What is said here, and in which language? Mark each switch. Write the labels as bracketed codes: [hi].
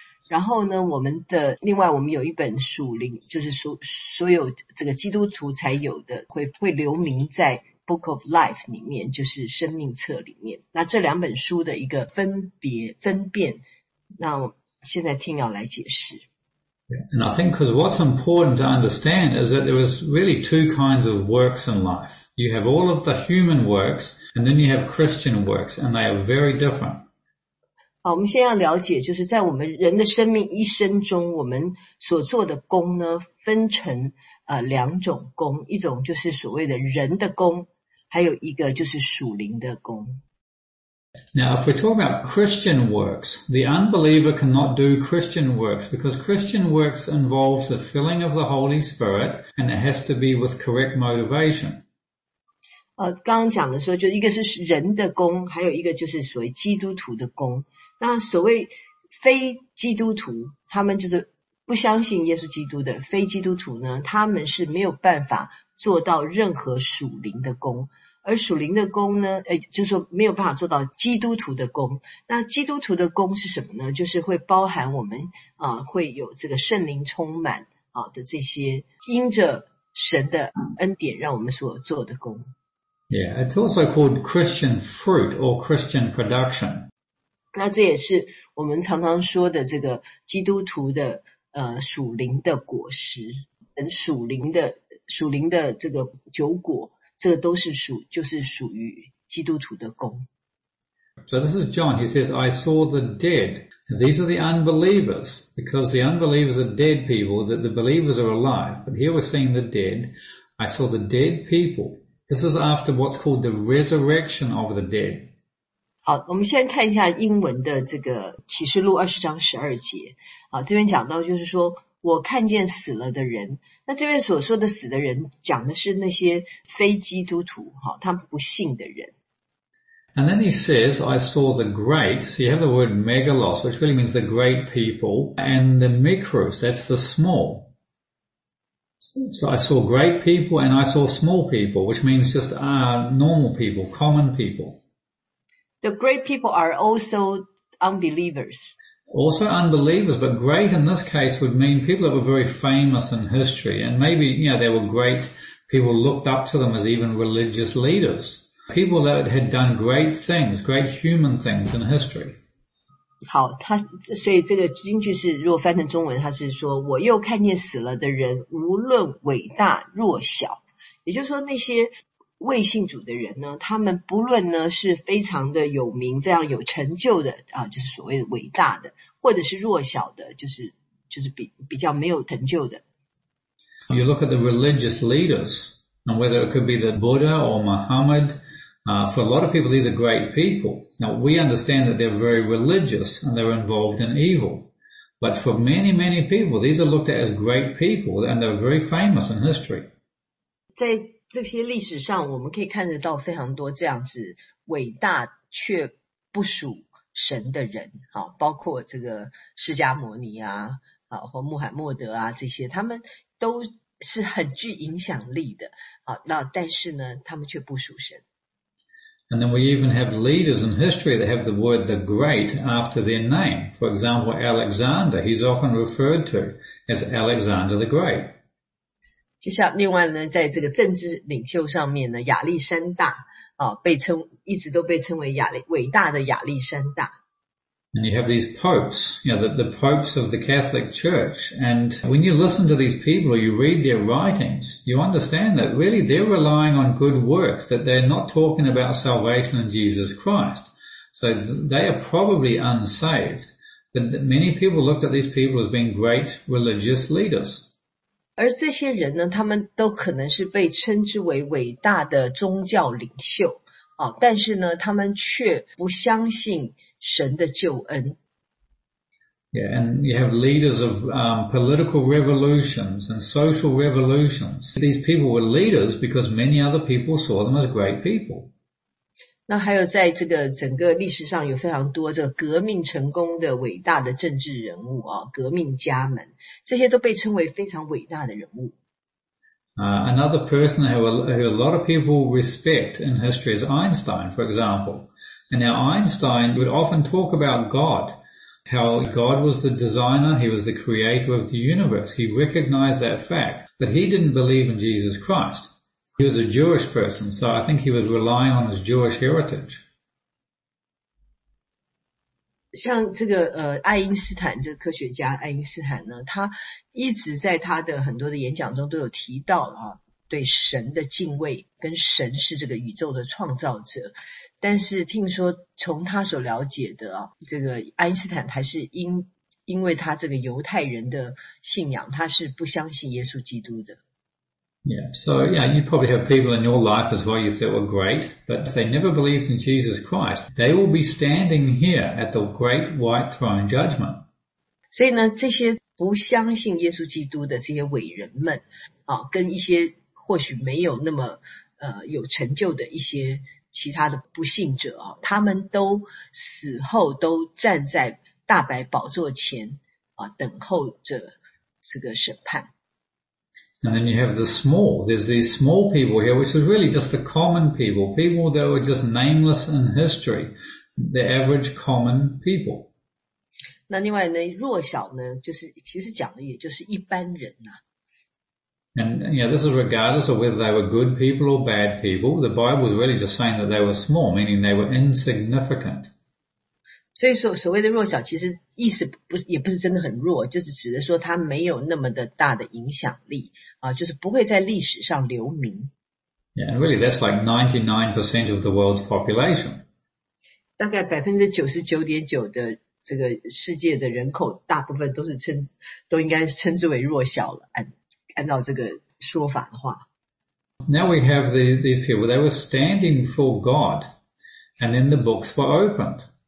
[zh] 然后呢我们的另外我们有一本属灵就是所有这个基督徒才有的会留名在 Book of Life 里面就是生命册里面。那这两本书的一个分辨那现在听要来解释。 [en] And I think because what's important to understand is that there was really two kinds of works in life. You have all of the human works and then you have Christian works and they are very different. [zh] 好，我们先要了解，就是在我们人的生命一生中，我们所做的工呢，分成两种工，一种就是所谓的人的工，还有一个就是属灵的工。 [en] Now, if we're talking about Christian works, the unbeliever cannot do Christian works because Christian works involves the filling of the Holy Spirit, and it has to be with correct motivation. [zh] 刚刚讲的说就一个是人的工还有一个就是所谓基督徒的工。那所谓非基督徒他们就是不相信耶稣基督的非基督徒呢他们是没有办法做到任何属灵的工。而属灵的工呢就是说没有办法做到基督徒的工。那基督徒的工是什么呢就是会包含我们会有这个圣灵充满的这些因着神的恩典让我们所做的工。 [en] Yeah, it's also called Christian fruit or Christian production. [zh] 那这也是我们常常说的这个基督徒的属灵的果实，属灵的这个酒果，这个都是属于基督徒的工。 [en] So this is John. He says, "I saw the dead. These are the unbelievers, because the unbelievers are dead people. That the believers are alive. But here we're seeing the dead. I saw the dead people." This is after what's called the resurrection of the dead. [zh] 好，我们先看一下英文的这个启示录二十章十二节。好，这边讲到就是说我看见死了的人。那这边所说的死的人讲的是那些非基督徒，他们不信的人。 [en] And then he says, I saw the great, so you have the word megalos, which really means the great people, and the mikros, that's the small. So I saw great people and I saw small people, which means just normal people, common people. The great people are also unbelievers. Also unbelievers, but great in this case would mean people that were very famous in history. And maybe, you know, they were great. People looked up to them as even religious leaders. People that had done great things, great human things in history. [zh] 好，他所以这个金句是，如果翻成中文，他是说，我又看见死了的人，无论伟大弱小，也就是说，那些未信主的人呢，他们不论呢是非常的有名、非常有成就的啊，就是所谓的伟大的，或者是弱小的，就是比较没有成就的。 [en] You look at the religious leaders, and whether it could be the Buddha or Muhammad. For a lot of people, these are great people. Now, we understand that they're very religious and they're involved in evil. But for many, many people, these are looked at as great people and they're very famous in history. [zh] 在这些历史上，我们可以看得到非常多这样子伟大却不属神的人，包括这个释迦牟尼啊，或穆罕默德啊，这些他们都是很具影响力的，那但是呢，他们却不属神。 [en] And then we even have leaders in history that have the word the great after their name. For example, Alexander, he's often referred to as Alexander the Great. [zh] 就像另外呢，在这个政治领袖上面呢，亚历山大，一直都被称为伟大的亚历山大。 [en] And you have these popes, you know, the popes of the Catholic Church. And when you listen to these people, you read their writings, you understand that really they're relying on good works, that they're not talking about salvation in Jesus Christ. So they are probably unsaved. But many people looked at these people as being great religious leaders. [zh] 而这些人呢，他们都可能是被称之为伟大的宗教领袖。但是呢，他们却不相信神的救恩。 [en] Yeah, and you have leaders of political revolutions and social revolutions. These people were leaders because many other people saw them as great people. [zh] 那还有在这个整个历史上有非常多这个革命成功的伟大的政治人物啊，革命家们，这些都被称为非常伟大的人物。 [en] Another person who a lot of people respect in history is Einstein, for example. And now Einstein would often talk about God, how God was the designer, he was the creator of the universe. He recognized that fact, but he didn't believe in Jesus Christ. He was a Jewish person, so I think he was relying on his Jewish heritage. [zh] 像这个爱因斯坦这个科学家爱因斯坦呢，他一直在他的很多的演讲中都有提到啊，对神的敬畏跟神是这个宇宙的创造者。但是听说从他所了解的啊，这个爱因斯坦还是因为他这个犹太人的信仰，他是不相信耶稣基督的。 [en] Yeah, so yeah, you probably have people in your life as well, if they were great, but if they never believed in Jesus Christ, they will be standing here at the great white throne judgment. [zh] 所以呢，这些不相信耶稣基督的这些伟人们，跟一些或许没有那么有成就的一些其他的不信者啊，他们都死后都站在大白宝座前啊，等候着这个审判。 [en] And then you have the small, there's these small people here, which is really just the common people, people that were just nameless in history, the average common people. [zh] 那另外呢，弱小呢，就是其实讲的也就是一般人啊。 [en] And yeah, you know, this is regardless of whether they were good people or bad people, the Bible is really just saying that they were small, meaning they were insignificant. [zh] 所以说所谓的弱小其实意思也不是真的很弱，就是指的说他没有那么的大的影响力啊，就是不会在历史上留名。 [en] Yeah, and really that's like 99% of the world's population. [zh] 大概 99.9% 的这个世界的人口大部分都应该称之为弱小了，按照这个说法的话。 [en] Now we have these people, they were standing for God, and then the books were opened.